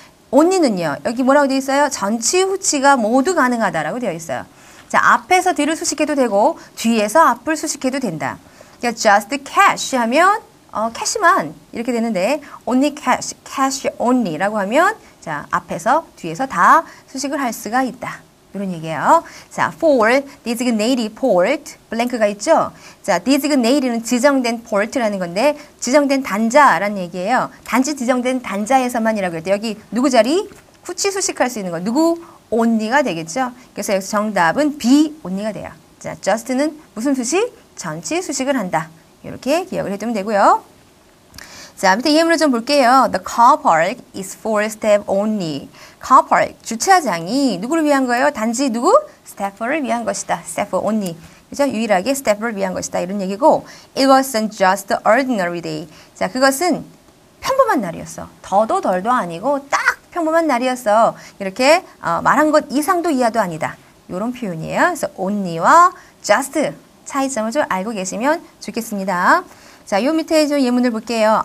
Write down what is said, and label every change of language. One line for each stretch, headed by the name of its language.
Korean: only는요, 여기 뭐라고 되어 있어요? 전치 후치가 모두 가능하다라고 되어 있어요. 자, 앞에서 뒤를 수식해도 되고 뒤에서 앞을 수식해도 된다. 그러니까
English: just cash
Korean: 하면 cash만 이렇게 되는데 only cash, cash only라고 하면 자, 앞에서 뒤에서 다 수식을 할 수가 있다. 이런 얘기예요. 자, for, designated port, blank가 있죠? 자, designated는 지정된 port라는 건데 지정된 단자라는 얘기예요. 단지 지정된 단자에서만이라고 할 때 여기 누구 자리? 후치 수식할 수 있는 거. 누구? only가 되겠죠? 그래서 여기서 정답은 be only가 돼요. 자, just는 무슨 수식? 전치 수식을 한다. 이렇게 기억을 해두면 되고요. 자, 밑에 예문을 좀 볼게요.
English: The car park is for staff only.
Korean: Car park, 주차장이 누구를 위한 거예요? 단지 누구? Staff를 위한 것이다.
English: Staff only.
Korean: 그죠? 유일하게 Staff를 위한 것이다. 이런 얘기고
English: It wasn't just ordinary day.
Korean: 자, 그것은 평범한 날이었어. 더도 덜도 아니고 딱 평범한 날이었어. 이렇게 말한 것 이상도 이하도 아니다. 이런 표현이에요. 그래서 only와 just 차이점을 좀 알고 계시면 좋겠습니다. 자, 요 밑에 좀 예문을 볼게요.